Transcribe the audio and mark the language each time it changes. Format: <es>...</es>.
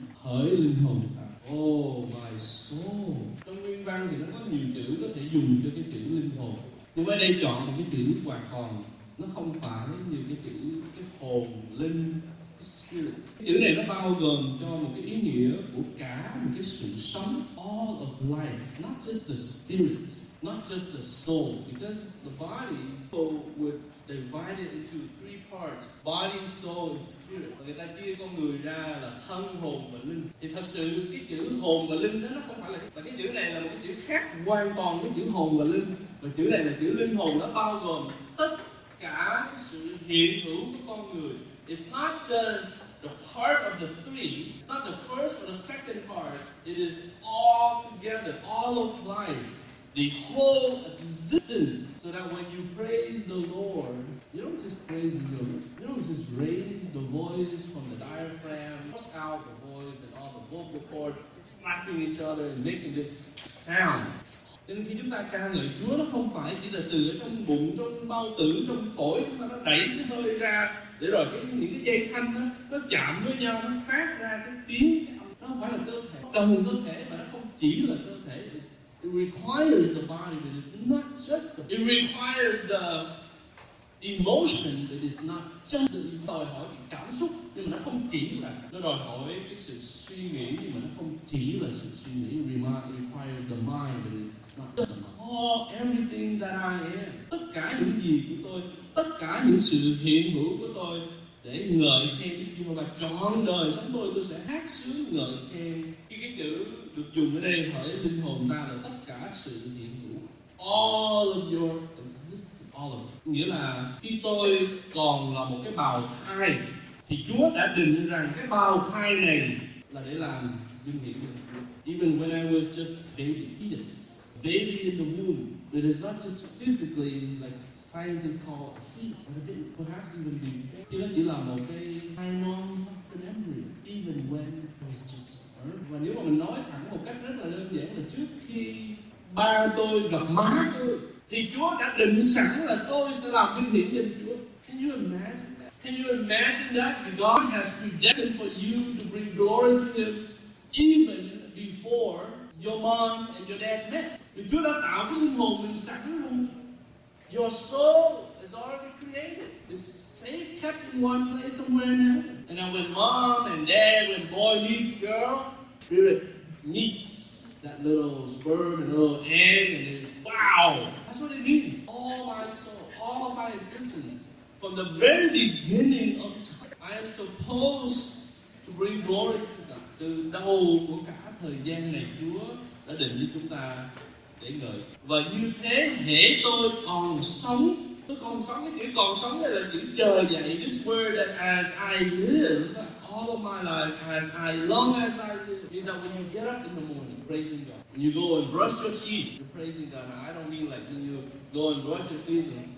<vi>Hỡi linh hồn ta.</vi> <en>Oh my soul.</en> <vi>Trong nguyên văn thì nó có nhiều chữ có thể dùng cho cái chữ linh hồn. Nhưng ở đây chọn một cái chữ hoàn toàn. Nó không phải như cái chữ cái hồn, linh. Cái chữ này nó bao gồm cho một cái ý nghĩa của cả một cái sự sống.</vi> <en>All of life, not just the spirit, not just the soul. Because the body, people would divide it into three parts. Body, soul, and spirit.</en> <vi>Người ta chia con người ra là thân, hồn và linh. Thì thật sự cái chữ hồn và linh đó nó không phải là... Và cái chữ này là một cái chữ khác hoàn toàn với chữ hồn và linh. Và chữ này là chữ linh hồn, nó bao gồm tất cả sự hiện hữu của con người.</vi> <en>It's not just the part of the three, it's not the first or the second part, it is all together, all of life, the whole existence. So that when you praise the Lord, you don't just praise the Lord, you don't just raise the voice from the diaphragm, push out the voice and all the vocal cords, slapping each other and making this sound.</en> <vi>Nên khi chúng ta ca ngợi Chúa, nó không phải chỉ là từ trong bụng, trong bao tử, trong phổi chúng ta nó đẩy cái hơi ra. Để rồi những cái dây thanh đó, nó chạm với nhau, nó phát ra cái tiếng. Nó không phải là cơ thể, cần cơ thể, mà nó không chỉ là cơ thể.</vi> <en>It requires the body, but it's not just the body. It requires the emotion, but it's not just the body.</en> <vi>Đòi hỏi cái cảm xúc, nhưng mà nó không chỉ là. Nó đòi hỏi cái sự suy nghĩ, nhưng mà nó không chỉ là sự suy nghĩ.</vi> <en>It requires the mind, but it's not just the mind. All everything that I am,</en> <vi>tất cả những gì của tôi, tất cả những sự hiện hữu của tôi để ngợi khen Đức Giê-hô-va trọn đời sống tôi sẽ hát sướng ngợi khen. Khi cái chữ được dùng ở đây hỏi linh hồn ta là tất cả sự hiện hữu,</vi> <en>all of your existence, all of it.</en> <vi>Nghĩa là khi tôi còn là một cái bào thai thì Chúa đã định rằng cái bào thai này là để làm vinh hiển.</vi> <en>Even when I was just a baby in the womb, that is not just physically like scientists call a fetus, but perhaps even before,</en> <vi>chỉ là một cái thai non,</vi> <en>an embryo. Even when I was just a sperm.</en> <vi>Và nếu mà mình nói thẳng một cách rất là đơn giản là trước khi ba tôi gặp má tôi, thì Chúa đã định sẵn là tôi sẽ làm vinh hiển cho Chúa.</vi> <en>Can you imagine? Can you imagine that God has predestined for you to bring glory to Him even before your mom and your dad met?</en> <vi>Chúa đã tạo cái linh hồn mình sẵn luôn.</vi> <en>Your soul is already created. It's safe, kept in one place somewhere now. And now when mom and dad, when boy meets girl, spirit meets that little sperm and little egg and it's wow. That's what it means. All my soul, all my existence. From the very beginning of time, I am supposed to bring glory to God.</en> <vi>Từ đầu của cả thời gian này, Chúa đã định với chúng ta để ngợi. Và như thế, hễ tôi còn sống, cái chữ còn sống đây là chữ chờ dậy.</vi> <en>This word that as I live, all of my life, as I long as I live, is that when you get up in the morning, praising God. When you go and brush your teeth, you're praising God. Now, I don't mean like when you go and brush your teeth.</en>